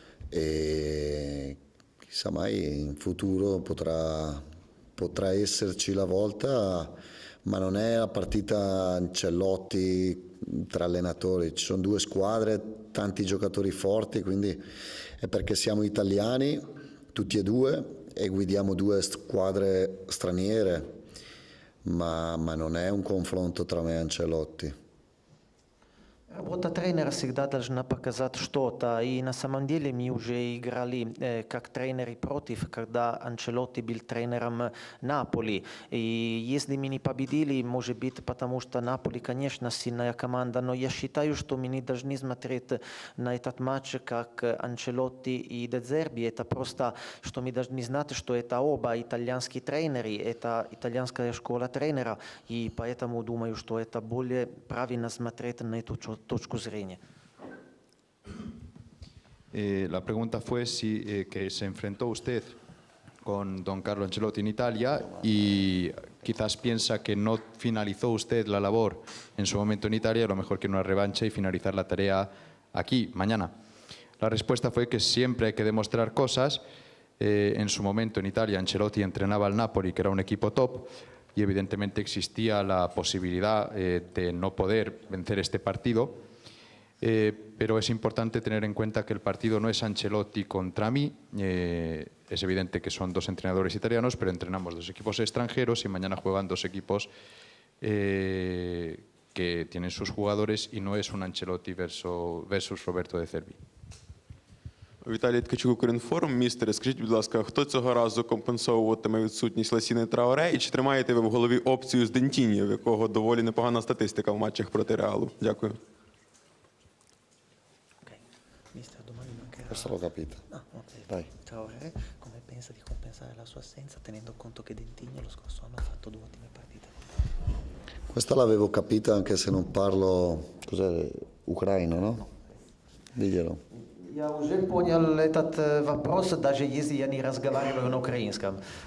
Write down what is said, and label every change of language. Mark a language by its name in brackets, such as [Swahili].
[Italian] E chissà mai in futuro potrà esserci la volta, ma non è la partita Ancelotti tra allenatori. Ci sono due squadre, tanti giocatori forti, quindi è perché siamo italiani, tutti e due, e guidiamo due squadre straniere, ma non è un confronto tra me e Ancelotti. [Russian] Работа тренера всегда должна показать что-то, и на самом деле мы уже играли как тренеры против, когда Анчелотти был тренером Наполи. И если мы не победили, может быть, потому что Наполи, конечно, сильная команда, но я считаю, что мы не должны смотреть на этот матч как Анчелотти и Де Зерби. Это просто, что мы должны знать, что это оба итальянские тренеры, это итальянская школа тренера, и поэтому думаю, что это более правильно смотреть на эту что. Точку зрения. [Spanish] La pregunta fue si que se enfrentó usted con don Carlo Ancelotti en Italia y quizás piensa que no finalizó usted la labor en su momento en Italia, a lo mejor quiere una revancha y finalizar la tarea aquí, mañana. La respuesta fue que siempre hay que demostrar cosas. En su momento en Italia, Ancelotti entrenaba al Napoli, que era un equipo top, y evidentemente existía la posibilidad de no poder vencer este partido, pero es importante tener en cuenta que el partido no es Ancelotti contra mí, es evidente que son dos entrenadores italianos, pero entrenamos dos equipos extranjeros y mañana juegan dos equipos que tienen sus jugadores y no es un Ancelotti versus Roberto De Zerbi. [Ukrainian] Віталій Ткачук, Укрінформ. Містере, скажіть, будь ласка, хто цього разу компенсовуватиме відсутність Ласіни Траоре? І чи тримаєте ви в голові опцію з Дентіньо, в якого доволі непогана статистика в матчах проти Реалу? Дякую. Містер, домані мінкера. [Italian] Questo l'ho capito. Dai. Траоре, come pensa di compensare la sua assenza, tenendo conto che Дентіньо lo scorso anno ha fatto due ottime partite? Questa l'avevo capita, anche se non parlo, cos'è, ucraino, no? Diglielo. [Ukrainian] Я вже зрозумів цей вопрос, навіть якщо я не розмовляю на українському.